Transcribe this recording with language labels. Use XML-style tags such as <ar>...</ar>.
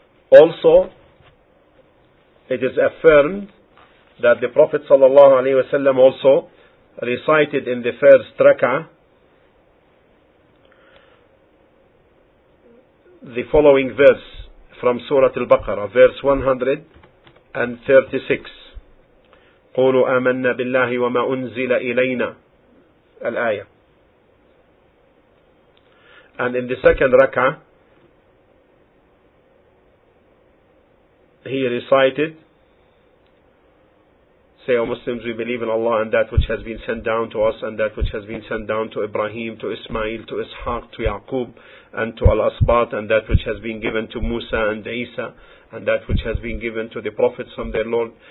<en>Also, it is affirmed that the Prophet ﷺ also recited in the first rak'ah the following verse from Surah Al-Baqarah, verse 136.</en> <ar>قولوا آمنا بالله وما أنزل إلينا الآية.</ar> <en>And in the second rak'ah, he recited, say, O Muslims, we believe in Allah and that which has been sent down to us and that which has been sent down to Ibrahim, to Ismail, to Ishaq, to Yaqub, and to Al-Asbat, and that which has been given to Musa and Isa, and that which has been given to the prophets from their Lord.</en>